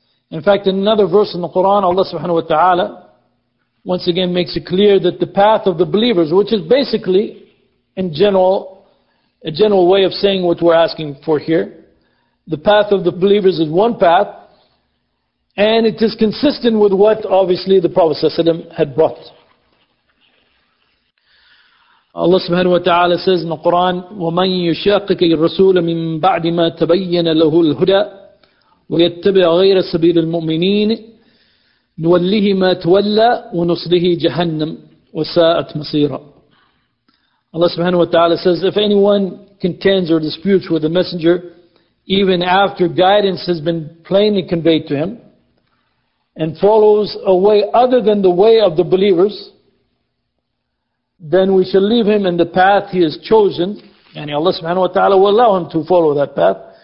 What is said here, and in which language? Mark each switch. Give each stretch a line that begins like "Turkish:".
English: In fact, in another verse in the Quran, Allah subhanahu wa ta'ala once again makes it clear that the path of the believers, which is basically, in general, a general way of saying what we're asking for here, the path of the believers is one path, and it is consistent with what, obviously, the Prophet ﷺ had brought. Allah subhanahu wa ta'ala says in the Quran,
Arabic: وَمَنْ يُشَاقِكَ الرَّسُولَ مِنْ بَعْدِ مَا تَبَيَّنَ لَهُ الْهُدَى وَيَتَّبِعَ غَيْرَ سَبِيلِ الْمُؤْمِنِينَ نُوَلِّهِ مَا تَوَلَّى وَنُصْلِهِ جَهَنَّمْ وَسَاءَتْ مَصِيرًا.
English: Allah subhanahu wa ta'ala says, if anyone contends or disputes with the messenger, even after guidance has been plainly conveyed to him, and follows a way other than the way of the believers, then we shall leave him in the path he has chosen, and Allah subhanahu wa ta'ala will allow him to follow that path.